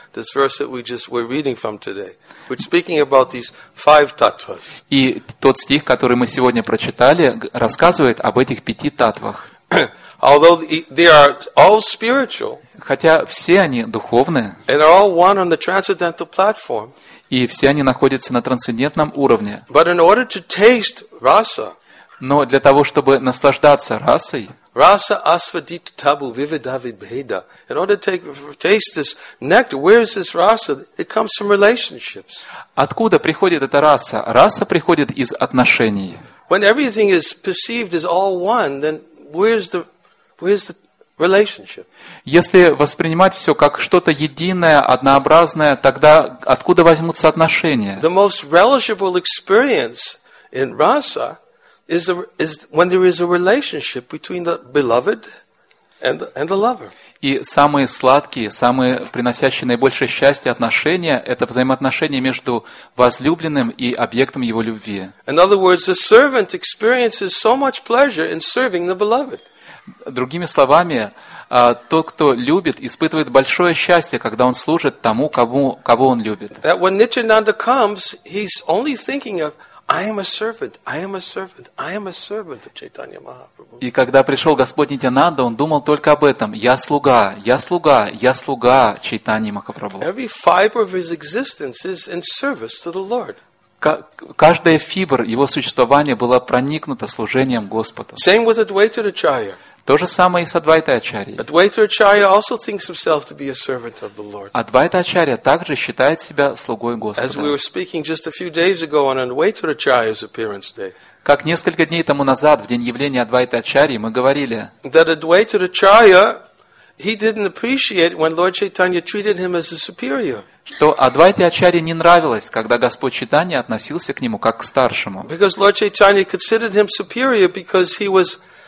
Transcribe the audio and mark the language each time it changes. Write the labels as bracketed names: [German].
[English] This verse that we're reading from today. We're speaking about these five tattvas. [Russian] И тот стих, который мы сегодня прочитали, рассказывает об этих пяти таттвах. [English] Although they are all spiritual. [Russian] Хотя все они духовные. [English] And are all one on the transcendental platform. [Russian] И все они находятся на трансцендентном уровне. [English] But in order to taste rasa. [Russian] Но для того, чтобы наслаждаться расой, [Bangla] раса асвадита табу вивидха вибеда. [English] In order to taste this nectar, where is this rasa? It comes from relationships. [Russian] Откуда приходит эта раса? Раса приходит из отношений. [English] When everything is perceived as all one, then where is the relationship? [Russian] Если воспринимать все как что-то единое, однообразное, тогда откуда возьмутся отношения? [English] The most relishable experience in rasa is when there is a relationship between the beloved and the lover. [Russian] И самые сладкие, самые приносящие наибольшее счастье отношения – это взаимоотношения между возлюбленным и объектом его любви. [English] In other words, the servant experiences so much pleasure in serving the beloved. [Russian] Другими словами, тот, кто любит, испытывает большое счастье, когда он служит тому, кого он любит. [English] That when Nityananda comes, he's only thinking of I am a servant, I am a servant, I am a servant of Chaitanya Mahaprabhu. [Russian] И когда пришел Господь Нитянанда, он думал только об этом. Я слуга, я слуга, я слуга Чайтаньи Махапрабху. [English] Every fiber of his existence is in service to the Lord. [Russian] Каждая фибр его существования была проникнута служением Господу. [English] Same with Advaita Acharya. [Russian] То же самое и с Адвайтой Ачарьей. [English] Advaita Acharya also thinks himself to be a servant of the Lord. [Russian] Адвайта Ачарья также считает себя слугой Господа. [English] As we were speaking just a few days ago on Advaita Acharya's appearance day. [Russian] Как несколько дней тому назад в день явления Адвайты Ачарьи мы говорили. [English] That Advaita Acharya he didn't appreciate when Lord Chaitanya treated him as a superior. [Russian] Что Адвайте Ачарье не нравилось, когда Господь Чайтанья относился к нему как к старшему. [English] Because Lord Chaitanya considered him superior because he was